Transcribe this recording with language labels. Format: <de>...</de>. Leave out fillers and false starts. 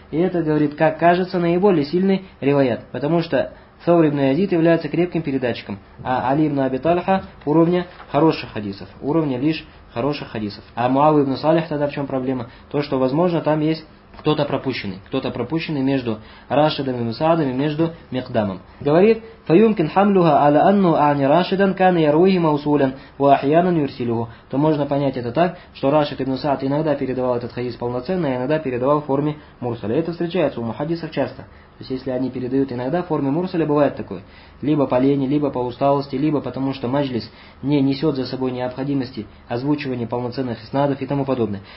<ru>И это, говорит, как кажется, наиболее сильный риваят. Потому что Саур ибн Язид является крепким передатчиком. А Али ибн Аби Тальха уровня хороших хадисов. Уровня лишь хороших хадисов. А Муавия ибн Салих тогда в чем проблема? То, что возможно там есть кто-то пропущенный между Рашидом ибн Саадом и между Мехдамом. Говорит,</ru> <ar>فَيُمْكِنْ حَمْلُهَا عَلَى أَنُّ عَنِ رَاشِدًا كَانَ يَرُوهِ مَوْسُولًا وَأَحْيَانًا يُرْسِلُهُ.</ar> <ru>То можно понять это так, что Рашид ибн Саад иногда передавал этот хадис полноценно, а иногда передавал в форме Мурсаля. Это встречается у мухаддисов часто. То есть, если они передают иногда в форме Мурсаля, бывает такое. Либо по лени, либо по усталости, либо потому, что маджлис не несет за собой необходимости озвучивания полноценных иснадов и тому подобное.</ru>